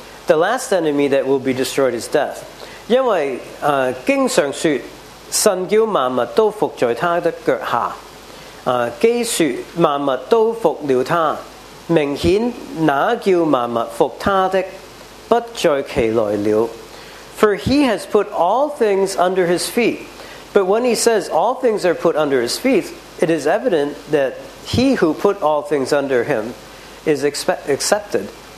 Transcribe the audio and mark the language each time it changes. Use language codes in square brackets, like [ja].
[en] The last enemy that will be destroyed is death. [zh] 因為經常說神叫萬物都服在他的腳下，基說萬物都服了他，明顯那叫萬物服他的不在其內了。 [en] For he has put all things under his feet. But when he says all things are put under his feet, it is evident that he who put all things under him is exempted.